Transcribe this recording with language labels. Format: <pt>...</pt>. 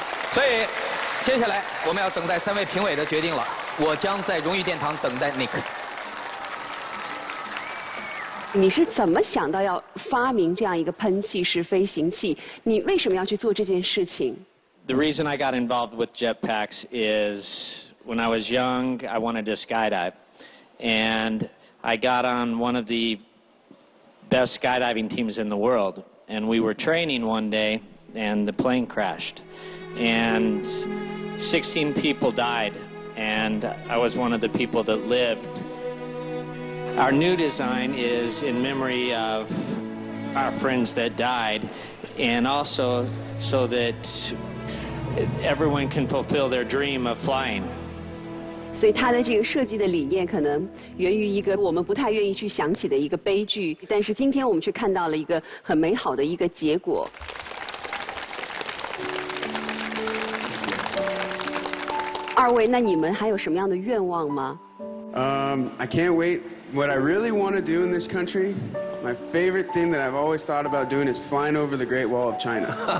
<zh>所以接下来我们要等待3位评委的决定了，我将在荣誉殿堂等待 Nick。你是怎么想到要发明这样一个喷气式飞行器？你为什么要去做这件事情？</zh> <en>The reason I got involved with jetpacks is when I was young, I wanted to skydive. And I got on one of the best skydiving teams in the world. And we were training one day, and the plane crashed. And 16 people died, and I was one of the people that lived. Our new design is in memory of our friends that died, and also so that everyone can fulfill their dream of flying.</en> <zh>所以它的这个设计的理念可能源于一个我们不太愿意去想起的一个悲剧，但是今天我们却看到了一个很美好的一个结果。二位，那你们还有什么样的愿望吗？</zh> <en>I can't wait. What I really want to do in this country, my favorite thing that I've always thought about doing is flying over the Great Wall of China.</en>